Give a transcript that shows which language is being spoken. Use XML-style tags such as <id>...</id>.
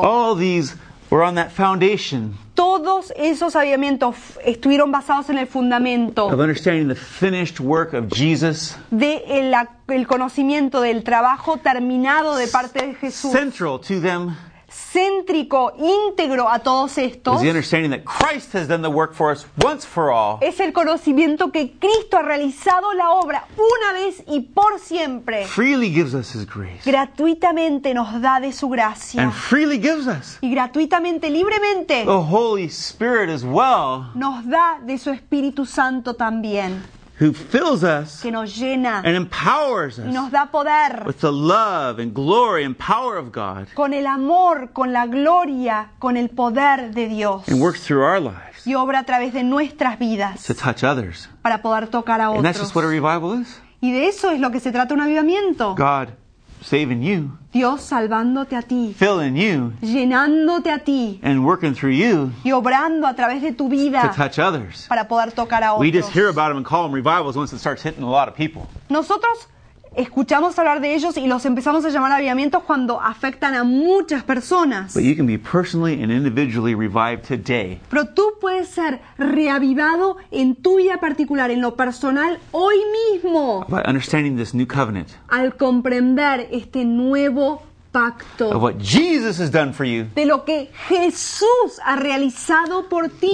<en>All these were on that foundation.</en> <es>Todos esos avivamientos estuvieron basados en el fundamento.</es> <en>Of understanding the finished work of Jesus.</en> <es>De el conocimiento del trabajo terminado de parte de Jesús.</es> <en>Central to them.</en> <es>Céntrico, íntegro a todos estos.</es> <en>Is the understanding that Christ has done the work for us once for all.</en> <es>Es el conocimiento que Cristo ha realizado la obra una vez y por siempre.</es> <en>Freely gives us his grace.</en> <es>Gratuitamente nos da de su gracia.</es> <en>And freely gives us.</en> <es>Y gratuitamente, libremente.</es> <en>The Holy Spirit as well.</en> <es>Nos da de su Espíritu Santo también.</es> <en>Who fills us</en> <es>que nos llena</es> <en>and empowers us</en> <es>y nos da poder</es> <en>with the love and glory and power of God.</en> <es>Con el amor, con la gloria, con el poder de Dios.</es> <en>And works through our lives.</en> <es>Y obra a través de nuestras vidas.</es> <en>To touch others.</en> <es>Para poder tocar a</es> <en>and</en> <es>otros.</es> <en>And that's just what a revival is.</en> <es>Y de eso es lo que se trata un avivamiento.</es> <en>God saving you.</en> <es>Dios salvándote a ti.</es> <en>Filling you.</en> <es>Llenándote a ti.</es> <en>And working through you.</en> <es>Y obrando a través de tu vida.</es> <en>To touch others.</en> <es>Para poder tocar a otros.</es> <en>We just hear about them and call them revivals once it starts hitting a lot of people.</en> <es>Nosotros escuchamos hablar de ellos y los empezamos a llamar avivamientos cuando afectan a muchas personas.</es> <en>But you can be personally and individually revived today.</en> <es>Pero tú puedes ser reavivado en tu vida particular, en lo personal, hoy mismo.</es> <en>By understanding this new covenant.</en> <es>Al comprender este nuevo pacto.</es> <en>Of what Jesus has done for you.</en> <es>De lo que Jesús ha realizado por ti.</es>